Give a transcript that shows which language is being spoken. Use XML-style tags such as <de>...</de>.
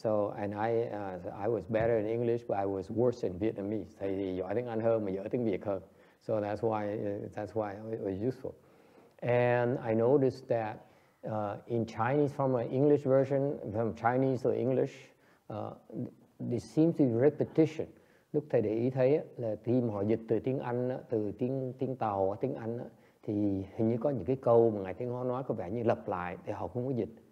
<en>So I was better in English, but I was worse in Vietnamese.</en> <vi>Thầy thì giỏi tiếng Anh hơn mà dở tiếng Việt hơn.</vi> <en>So that's why it was useful. And I noticed that in Chinese, from an English version, from Chinese to English, there seems to be repetition.</en> <vi>Lúc thầy để ý thấy là khi mà họ dịch từ tiếng Anh, từ tiếng Tàu tiếng Anh, thì hình như có những cái câu mà Ngài Thiện Hóa nói có vẻ như lặp lại, thì họ không có dịch.</vi>